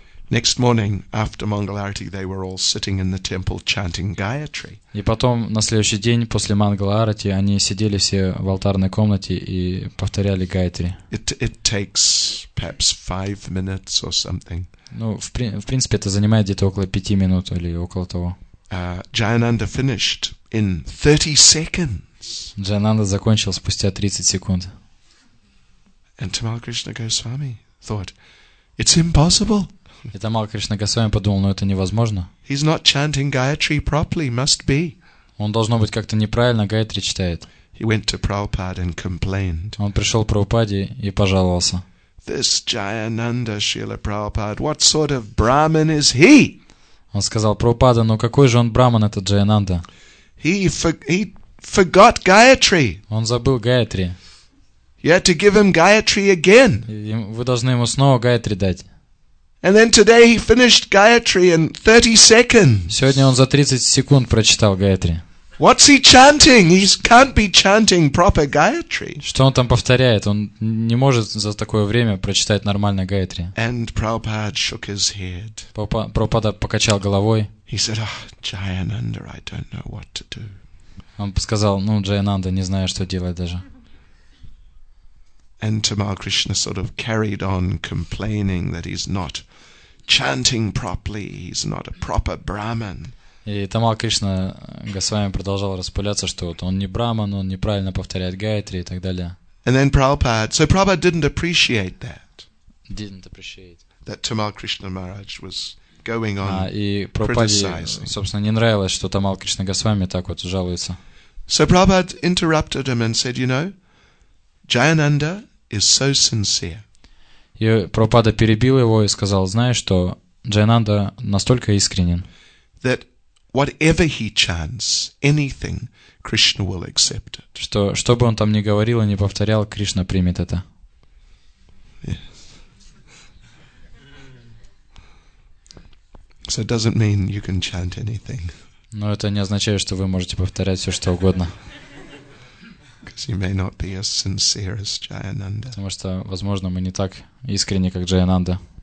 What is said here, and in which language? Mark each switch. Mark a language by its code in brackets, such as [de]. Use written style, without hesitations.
[en] Next morning, after Mangal Arati, they were all sitting in the temple chanting Gayatri. [ru] И потом на следующий день после Mangal Arati они сидели все в алтарной комнате и повторяли Гаятри. [en] It takes perhaps 5 minutes or something. [ru] Ну, в принципе, это занимает где-то около 5 минут или около того. [en] Jayananda finished in 30 seconds. [ru] Jayananda закончил спустя 30 секунд. [en] And Tamal Krishna Goswami thought, it's impossible. [ru] И Тамал Кришна Госвами подумал: ну это невозможно. [en] He's not chanting Gayatri properly, must be. [ru] Он должно быть как-то неправильно Гаятри читает. [en] He went to Prabhupada and complained. [ru] Он пришел к Прабхупаде и пожаловался. [en] This Jayananda Srila Prabhupada, what sort of Brahmin is he? [ru] Он сказал: Прабхупада, ну какой же он брахман, этот Джаянанда? [en] He forgot Gayatri. [ru] Он забыл Гаятри. [en] You had to give him Gayatri again. [ru] Вы должны ему снова Гаятри дать. [en] And then today he finished Gayatri in 30 seconds. [ru] Сегодня он за 30 секунд прочитал Гаятри. [en] What's he chanting? He can't be chanting proper Gayatri. [ru] Что он там повторяет? Он не может за такое время прочитать нормально Гаятри. [en] And Prabhupada shook his head. [ru] Прабхупада покачал головой. [en] He said, "Oh, Jayananda, I don't know what to do." [ru] Он сказал: "Ну, Джайананда, не знаю, что делать даже." [en] And Tamal Krishna sort of carried on complaining that he's not chanting properly, he's not a proper Brahman. [ru] И Тамал Кришна Госвами продолжал распыляться, что вот он не Брахман, он неправильно повторяет Гаятри и так далее. [en] And then Prabhupada, so Prabhupada didn't appreciate that. Didn't appreciate. That Tamal Krishna Maharaj was going on criticizing. [ru] Собственно, не нравилось, что Тамал Кришна Госвами так вот жалуется. [en] So Prabhupada interrupted him and said, you know, Jayananda is so sincere. [ru] И Прабхупада перебил его и сказал: "Знаешь что, Джайананда настолько искренен, [en] that whatever he chants, anything, Krishna will accept it." [ru] Что, что бы он там ни говорил и ни повторял, Кришна примет это. [en] Yes. So it doesn't mean you can chant anything. [ru] Но это не означает, что вы можете повторять все, что угодно. [en] Because you may not be as sincere as Jayananda. [ru] Потому что, возможно, мы не так искренни, как Джайананда.